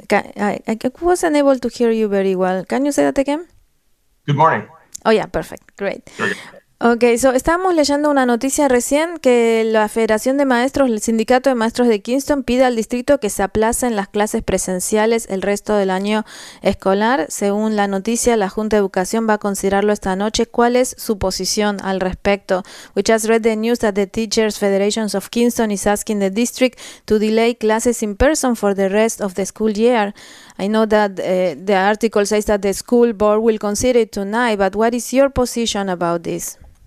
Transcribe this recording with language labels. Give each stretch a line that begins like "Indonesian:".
English: I wasn't able to hear you very well. Can you say that again? Good morning. Oh, yeah, perfect. Great.
Spanish: Okay, so estábamos leyendo una noticia recién que la Federación de Maestros, el Sindicato de Maestros de Kingston, pide al distrito que se aplacen las clases presenciales el resto del año escolar. Según la noticia, la Junta de Educación va a considerarlo esta noche. ¿Cuál es su posición al respecto?
English: We just read the news that the Teachers Federation of Kingston is asking the district to delay classes in person for the rest of the school year. I know that the article says that the school board will consider it tonight, but what is your position about this?